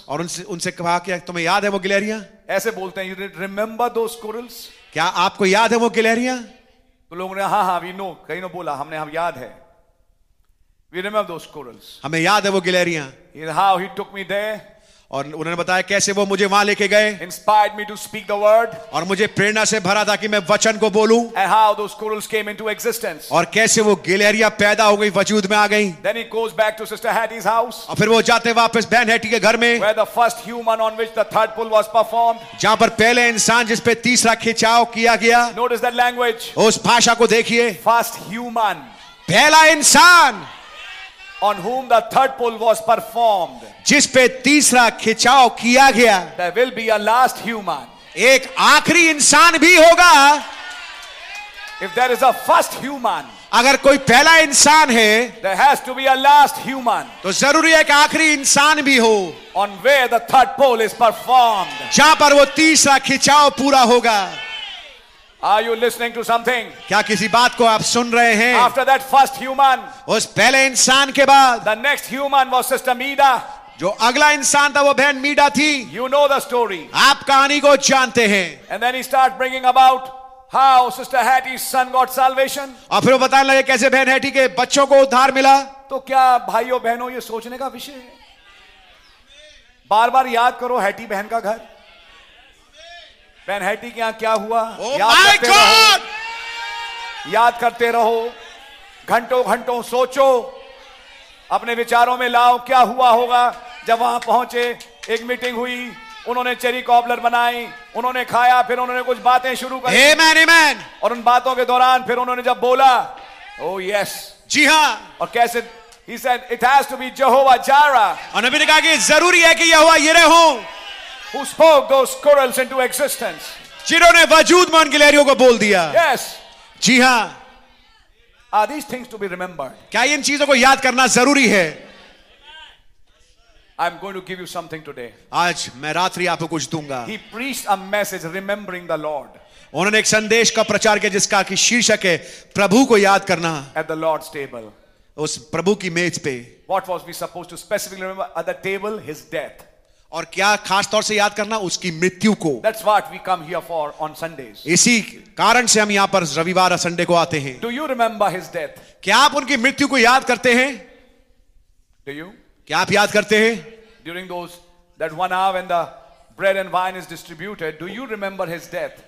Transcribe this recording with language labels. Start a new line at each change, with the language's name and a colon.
Hindi: और उनसे कहा कि तुम्हें याद है वो गिलहरियां? ऐसे बोलते हैं.
English: You didn't remember those squirrels?
Hindi: क्या आपको याद है वो गिलहरियां? तो लोगों ने हाँ हाँ
English: we know.
Hindi: कहीं ने बोला हमने हम याद है.
English: We remember those squirrels.
Hindi: हमें याद है वो गिलहरियां.
English: How he took me there.
Hindi: और उन्होंने बताया कैसे वो मुझे वहां लेके गए.
English: Inspired me to speak the word.
Hindi: और मुझे प्रेरणा से भरा था कि मैं वचन को बोलूं.
English: And how those squirrels came into existence.
Hindi: और कैसे वो गिलहरियां पैदा हो गई, वजूद में आ गई.
English: Then he goes back to Sister Hattie's house.
Hindi: और फिर वो जाते वापस बहन हैटी के घर में.
English: Where the first human on which the third pull was performed.
Hindi: जहां पर पहले इंसान जिस पे तीसरा खिंचाव किया गया.
English: Notice that language.
Hindi: उस भाषा को देखिए.
English: First human.
Hindi: पहला इंसान.
English: On whom the third pull was performed.
Hindi: जिस पे तीसरा खिंचाव किया गया.
English: There will be a last human.
Hindi: एक आखिरी इंसान भी होगा.
English: If there is a first human.
Hindi: अगर कोई पहला इंसान है.
English: There has to be a last human.
Hindi: तो जरूरी है एक आखिरी इंसान भी हो.
English: On where the third pull is performed.
Hindi: जहां पर वो तीसरा खिंचाव पूरा होगा.
English: Are you listening to something?
Hindi: क्या किसी बात को आप सुन रहे हैं?
English: After that first human,
Hindi: उस पहले इंसान के बाद,
English: the next human was Sister Meeda.
Hindi: जो अगला इंसान था वो बहन मीडा थी.
English: You know the story.
Hindi: आप कहानी को जानते हैं.
English: And then he start bringing about how Sister Hattie's son got salvation.
Hindi: और फिर वो बताने लगे कैसे बहन हैटी के बच्चों को उद्धार मिला. तो क्या भाइयों बहनों ये सोचने का विषय है? बार बार याद करो हैटी बहन का घर. बहन हैटी के यहां क्या हुआ? याद करते रहो, घंटों घंटों सोचो, अपने विचारों में लाओ क्या हुआ होगा. जब वहां पहुंचे, एक मीटिंग हुई, उन्होंने चेरी कॉबलर बनाई, उन्होंने खाया, फिर उन्होंने कुछ बातें शुरू करी. आमेन आमेन. और उन बातों के दौरान फिर उन्होंने जब बोला, ओ यस, जी हाँ. और कैसे?
English: He said, it has to be Jehovah Jireh.
Hindi: और नबी ने कहा कि जरूरी है कि यहोवा यिरे हो.
English: Who spoke those squirrels into existence?
Hindi: जिन्होंने वजूद में गिलहरियों को बोल दिया.
English: Yes.
Hindi: जी हाँ.
English: Are these things to be remembered?
Hindi: क्या इन चीजों को याद करना जरूरी है?
English: I'm going to give you something today.
Hindi: आज मैं रात्रि आपको कुछ दूंगा.
English: He preached a message remembering the Lord.
Hindi: उन्होंने एक संदेश का प्रचार किया जिसका कि शीर्षक है प्रभु को याद करना.
English: At the Lord's table.
Hindi: उस प्रभु की मेज पे.
English: What was we supposed to specifically remember at the table? His death.
Hindi: और क्या खास तौर से याद करना? उसकी मृत्यु को.
English: That's what we come here for on Sundays.
Hindi: इसी कारण से हम यहाँ पर रविवार और संडे को आते हैं.
English: Do you remember his death?
Hindi: क्या आप उनकी मृत्यु को याद करते हैं?
English: Do you?
Hindi: क्या आप याद करते हैं?
English: During those that one hour when the bread and wine is distributed, do you remember his death?